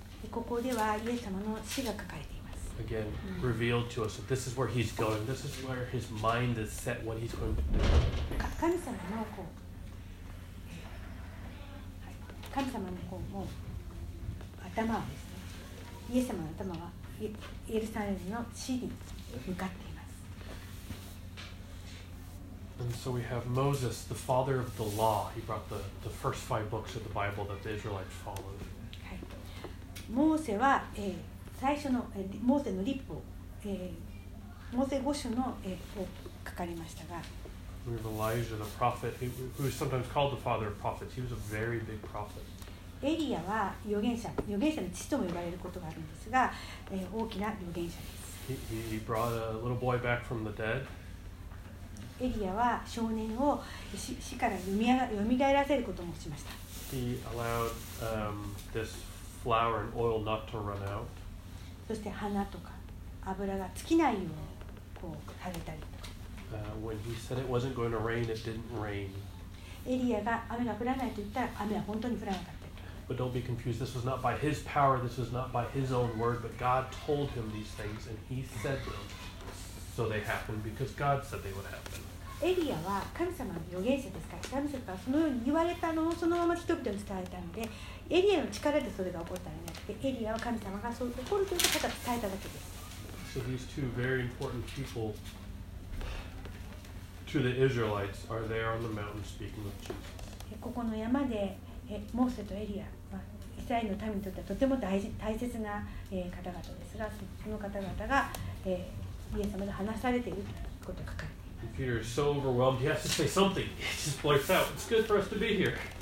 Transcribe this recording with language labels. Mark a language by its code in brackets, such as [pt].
[ja] ここではイエス様の死が書かれています。 [en] Again, revealed to us that this is where he's going. This is where his mind is set. What he's going to do. [ja] 神様のこう、神様のこうもう頭はですね、イエス様の頭はイエルサレムの死に向かっています。 [en] And so we have Moses, the father of the law. He brought the first five books of the Bible that the Israelites followed. [ja] モーセは最初のモーセの律法、モーセ五章の、を書かれましたが、 [en] We have Elijah, the prophet, who is sometimes called the father of prophets. He was a very big prophet. [ja] エリアは預言者の父とも呼ばれることがあるんですが、大きな預言者です。 [en] He brought a little boy back from the dead. [ja] エリアは少年を死から蘇らせることもしました。 [en] He allowed this flour and oil not to run out. [ja] そして花とか油が尽きないようにこう垂れたりとか。 [en] When he said it wasn't going to rain, it didn't rain. [ja] エリアが雨が降らないと言ったら雨は本当に降らなかった。 [en] But don't be confused. This was not by his power. This was not by his own word. But God told him these things, and he said them, so they happened because God said they would happen. [ja] エリアは神様の預言者ですから、神様からそのように言われたのをそのまま人々に伝えたので、エリアの力でそれが起こったんじゃなくて。てエリアは神様がそう起こるということを伝えただけです。 [en] So these two very important people to the Israelites are there on the mountain speaking with Jesus. [ja] ここの山でモーセとエリアはイスラエルの民にとってはとても大切な方々ですが、その方々がイエス様と話されていることが書かれています。 [en] Peter is so overwhelmed. He has to say something. He just blurts out. It's good for us to be here.